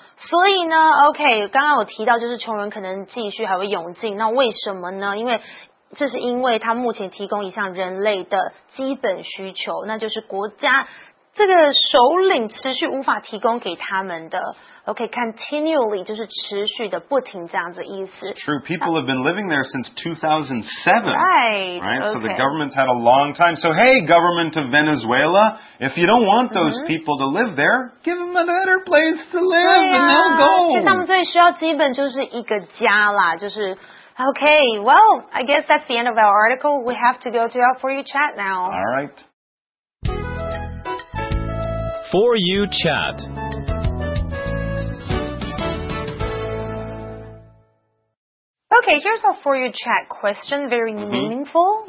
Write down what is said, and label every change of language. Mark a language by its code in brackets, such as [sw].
[zh] 所以呢 ，Okay， 刚刚我提到就是穷人可能继续还会涌进，那为什么呢？因为这是因为他目前提供一项人类的基本需求，那就是国家这个首领持续无法提供给他们的。 Okay, continually 就是持续的、不停这样子意思。 [en] It's true, people have been living there since 2007. Right. Okay. So the government's had a long time. So hey, government of Venezuela, if you don't want those people to live there, give them a better place to live, and they'll go. [zh] 其实他们最需要基本就是一个家啦，就是。 [en] Okay, well, I guess that's the end of our article. We have to go to our For You Chat now. All right. For You Chat. Okay, here's a for you chat question, very meaningful.